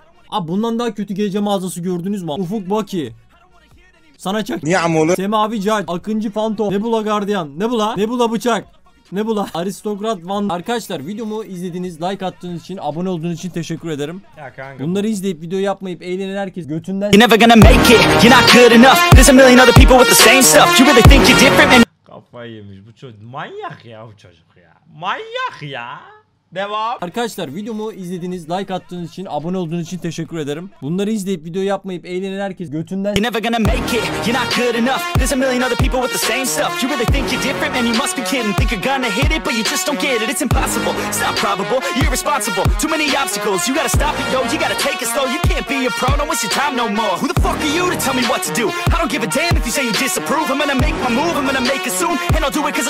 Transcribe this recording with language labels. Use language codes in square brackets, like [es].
[tr] Abi bundan daha kötü gece mağazası gördünüz mü? Ufuk Baki. Sana çak. Niye amolu? Semavi Cal. Akıncı Phantom. Nebula Guardian. Nebula. Nebula bıçak. Nebula. Aristokrat Van. Arkadaşlar videomu izlediğiniz, like attığınız için, abone olduğunuz için teşekkür ederim. Ya kanka. Bunları izleyip video yapmayıp eğlenen herkes götünden. [en] You're never gonna make it. You're not good enough. There's a million other people with the same stuff. You really think you're different man. [tr] Kafayı yemiş bu çocuk. Manyak ya bu çocuk ya. Manyak ya. Devam. Arkadaşlar videomu izlediğiniz, like attığınız için, abone olduğunuz için teşekkür ederim. Bunları izleyip video yapmayıp eğlenen herkes götünden. [en] You're never gonna make it, you're not good enough. There's a million other people with the same stuff. You really think you're different, man, you must be kidding. Think you're gonna hit it, but you just don't get it. It's impossible, it's not probable, you're irresponsible. Too many obstacles, you gotta stop it, yo. You gotta take it slow, you can't be a pro. No, it's your time no more. Who the fuck are you to tell me what to do? I don't give a damn if you say you disapprove. I'm gonna make my move, I'm gonna make it soon. And I'll do it cause it's